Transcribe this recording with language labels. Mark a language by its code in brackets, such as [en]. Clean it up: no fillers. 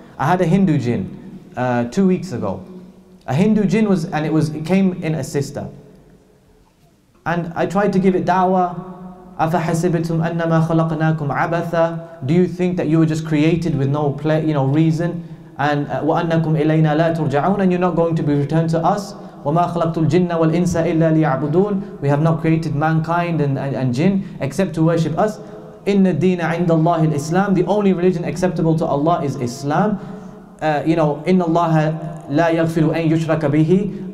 [en] I had a Hindu jinn 2 weeks ago. A Hindu jinn was, and it came in a sister. And I tried to give it da'wah. [ar] أَفَحَسِبْتُمْ أَنَّمَا خَلَقْنَاكُمْ عَبَثًا. [en] Do you think that you were just created with no reason? [ar] And وَأَنَّكُمْ إِلَيْنَا لَا تُرْجَعُونَ. [en] And you're not going to be returned to us. [ar] وَمَا خَلَقْتُ الْجِنَّ وَالْإِنسَ إِلَّا لِيَعْبُدُونَ. [en] We have not created mankind and jinn except to worship us. [ar] إِنَّ الدِّينَ عِنْدَ اللَّهِ الْإِسْلَامِ. [en] The only religion acceptable to Allah is Islam. [ar] إِنَّ اللَّهَ لَا يَغْفِرُ أَن يُشْرَكَ بِهِ.